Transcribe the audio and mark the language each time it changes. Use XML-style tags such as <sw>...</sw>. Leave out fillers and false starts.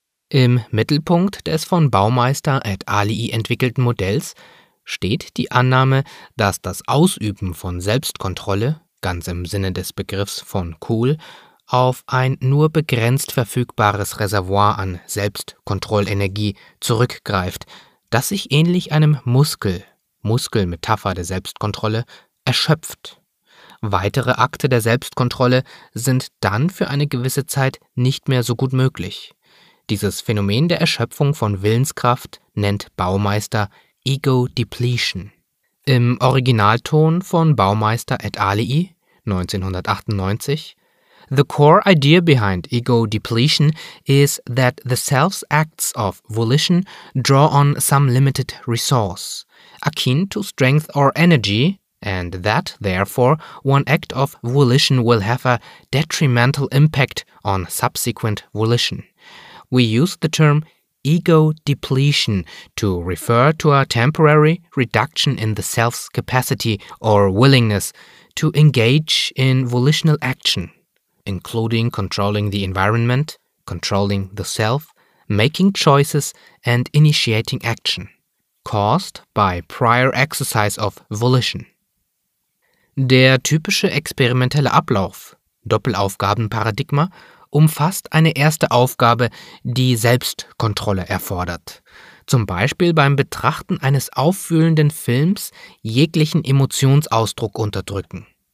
<de>Im Mittelpunkt des von Baumeister et al. Entwickelten Modells steht die Annahme, dass das Ausüben von Selbstkontrolle, ganz im Sinne des Begriffs von Kohl, auf ein nur begrenzt verfügbares Reservoir an Selbstkontrollenergie zurückgreift, das sich ähnlich einem Muskel, Muskelmetapher der Selbstkontrolle, erschöpft. Weitere Akte der Selbstkontrolle sind dann für eine gewisse Zeit nicht mehr so gut möglich. Dieses Phänomen der Erschöpfung von Willenskraft nennt Baumeister Ego Depletion. Im Originalton von Baumeister et al.</de> <en>1998: The core idea behind ego depletion is that the self's acts of volition draw on some limited resource, akin to strength or energy, and that, therefore, one act of volition will have a detrimental impact on subsequent volition. We use the term ego depletion to refer to a temporary reduction in the self's capacity or willingness to engage in volitional action, including controlling the environment, controlling the self, making choices, and initiating action, caused by prior exercise of volition.</en> <de>Der typische experimentelle Ablauf, Doppelaufgabenparadigma, umfasst eine erste Aufgabe, die Selbstkontrolle erfordert. Zum Beispiel beim Betrachten eines auffühlenden Films jeglichen Emotionsausdruck unterdrücken.</de>